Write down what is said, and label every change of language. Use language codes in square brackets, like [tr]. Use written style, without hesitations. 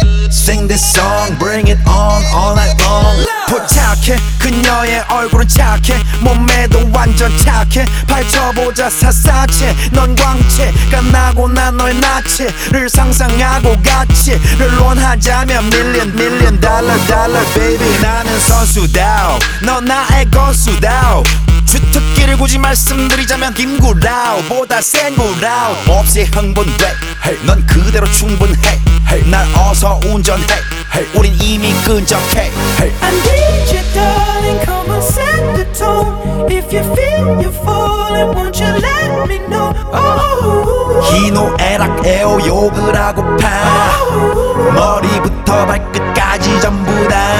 [en] Sing this song, bring it on all night long. [ko] 포착해 그녀의 얼굴은 착해 몸매도 완전 착해 펼쳐보자 샅샅이 넌 광채가 나고 난 너의 나체를 상상하고 가치를 논하자면 [en] million million dollar dollar baby. [ko] 나는 선수다오 너 나의 건수다오 주특기를 굳이 말씀드리자면 김구라오보다 센구라오. 몹시 흥분돼 hey. 넌 그대로 충분해 hey. 날 어서 운전해 hey. 우린 이미 끈적해 hey. [en] I need you darling, come on set the tone. If you feel you're falling, won't you let me know. [ko] 희노애락 애호욕을 하고 파 머리부터 발끝까지 전부 다.